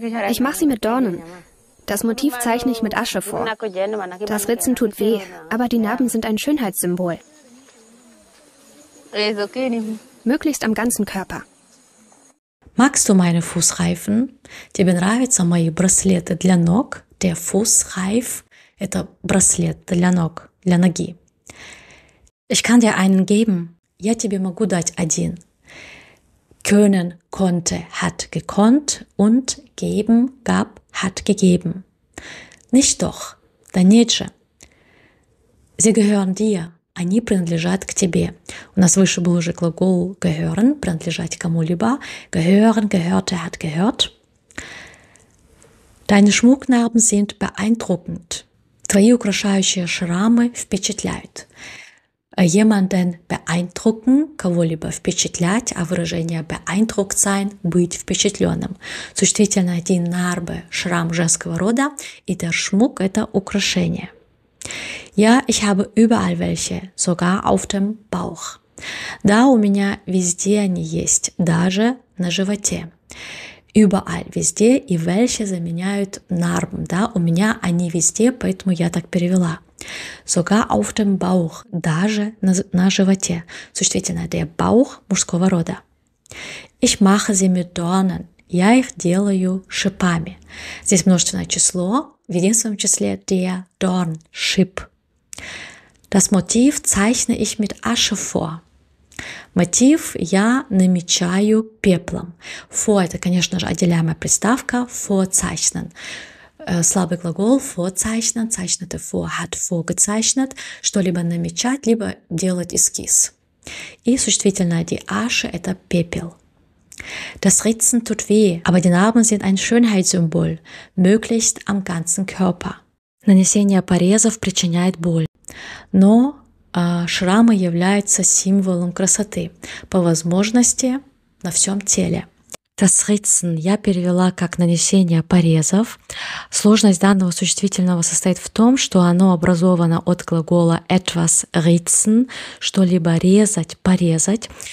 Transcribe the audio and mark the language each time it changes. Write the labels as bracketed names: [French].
[German] Ich mache sie mit Dornen. Das Motiv zeichne ich mit Asche vor. Das Ritzen tut weh, aber die Narben sind ein Schönheitssymbol. Möglichst am ganzen Körper. Magst du meine Fußreifen? [Russian] Тебе нравятся мои браслеты для ног? [German] Der Fußreif [Russian] – это браслет для ног, для ноги. [German] Ich kann dir einen geben. [Russian] Я тебе могу дать один. [German] Können, konnte, hat gekonnt und geben, gab, hat gegeben. Nicht doch, [Russian] да нет же. [German] Sie gehören dir. [Russian] Они принадлежат к тебе. У нас выше был уже глагол [German] gehören, [Russian] принадлежать кому-либо. [German] Gehören, gehörte, hat gehört. Deine Schmucknarben sind beeindruckend. [Russian] Твои украшающие шрамы впечатляют. [German] Jemanden beeindrucken, [Russian] кого-либо впечатлять, а выражение [German] beeindruckt sein, [Russian] быть впечатленным. Существительно, [German] die Narbe, [Russian] шрам женского рода, и [German] der Schmuck [Russian] – это украшение. [German] Ja, ich habe überall welche, sogar auf dem Bauch. [Russian] Да, у меня везде они есть, даже на животе. [German] Überall, [Russian] везде, и [German] welche [Russian] заменяют [German] Narben. [Russian] Да, у меня они везде, поэтому я так перевела. [German] Sogar auf dem Bauch, [Russian] даже на животе. Существительно, [German] der Bauch [Russian] мужского рода. [German] Ich mache sie mit Dornen. [Russian] Я их делаю шипами. Здесь множественное число. В единственном числе [German] der Dorn, [Russian] шип. [German] Das Motiv zeichne ich mit Asche vor. [Russian] Мотив я намечаю пеплом. [German] Vor [Russian] – это, конечно же, отделяемая приставка. [German] Vorzeichnen. [Russian] Слабый глагол [German] vorzeichnen. Zeichnete vor, hat vorgezeichnet. [Russian] Что-либо намечать, либо делать эскиз. И существительное [German] die Asche [Russian] – это пепел. [German] Das Ritzen tut weh, aber die Narben sind ein Schönheitssymbol, möglichst am ganzen Körper. [Russian] Нанесение порезов причиняет боль, но шрамы являются символом красоты, по возможности на всем теле. [German] Das Ritzen [Russian] я перевела как нанесение порезов. Сложность данного существительного состоит в том, что оно образовано от глагола [German] etwas ritzen, [Russian] что-либо резать, порезать.